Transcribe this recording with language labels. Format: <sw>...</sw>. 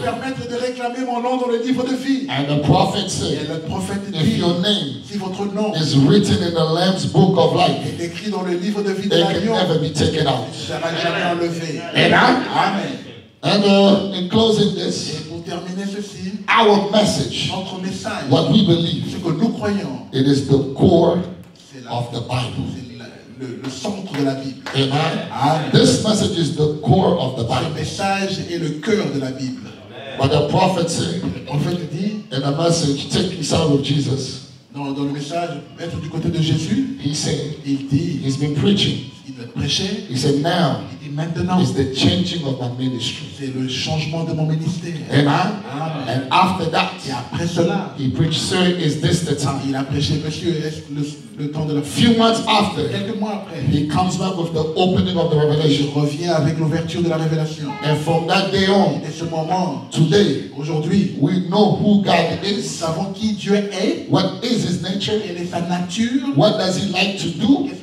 <fr>Permettre de réclamer mon nom dans le livre de vie.</fr> <en>And the prophet said,</en> <fr>et le prophète dit,</fr> <en>if your name,</en> <fr>si votre nom,</fr> <en>is written in the Lamb's book of life,</en> <fr>est écrit dans le livre de vie de l'agneau,</fr> <en>it can never be taken out.</en> <fr>Sera jamais enlevé.</fr> <en>Amen. Amen. And in closing this,</en> <fr>et pour terminer ceci,</fr> <en>our message,</en> <fr>notre message,</fr> <en>what we believe,</en> <fr>ce que nous croyons,</fr> <en>it is the core of the Bible.</en> <fr>Le centre de la Bible.</fr> <en>Amen. This message is the core of the Bible.</en> <fr>Ce message est le cœur de la Bible.</fr> <en>But the prophet said,</en> <fr>en fait, dit,</fr> <en>in the message, take me side of Jesus.</en> <fr>Dans le message, être du côté de Jésus.</fr> <en>He said,</en> <fr>il dit,</fr> <en>he's been preaching.</en> <fr>Il a prêché.</fr> <en>He said, now,</en> <fr>il dit, maintenant,</fr> <en>is the changing of my ministry.</en> <fr>C'est le changement de mon ministère.</fr> <en>Amen. And after that,</en> <fr>et après cela,</fr> <en>he preached, sir, is this the time?</en> <fr>Il a prêché, monsieur, est-ce le temps de la</fr> <en>fin? Few months after,</en> <fr>quelques mois après,</fr> <en>he comes back with the opening of the revelation.</en> <fr>Il revient avec l'ouverture de la révélation.</fr> <en>And from that day on,</en> <fr>et ce moment,</fr> <en>today,</en> <fr>aujourd'hui,</fr> <en>we know who God is.</en> <fr>Nous savons qui Dieu est.</fr> <en>What is his nature?</en> <fr>Quelle est sa nature?</fr> <en>What does he like to do?</en>